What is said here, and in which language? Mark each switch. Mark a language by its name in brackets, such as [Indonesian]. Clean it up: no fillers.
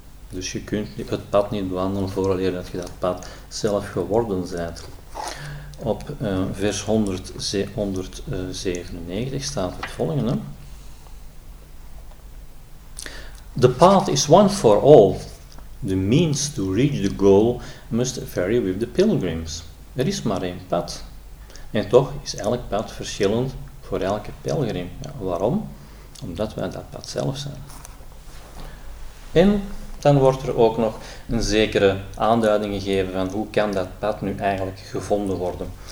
[Dutch] Dus je kunt het pad niet bewandelen vooraleer dat je dat pad zelf geworden bent. Op vers 197 staat het volgende: [English] The path is one for all. The means to reach the goal must vary with the pilgrims. [Dutch] Er is maar één pad. En toch is elk pad verschillend voor elke pelgrim. Ja, waarom? Omdat wij dat pad zelf zijn. En dan wordt er ook nog een zekere aanduiding gegeven van hoe kan dat pad nu eigenlijk gevonden worden.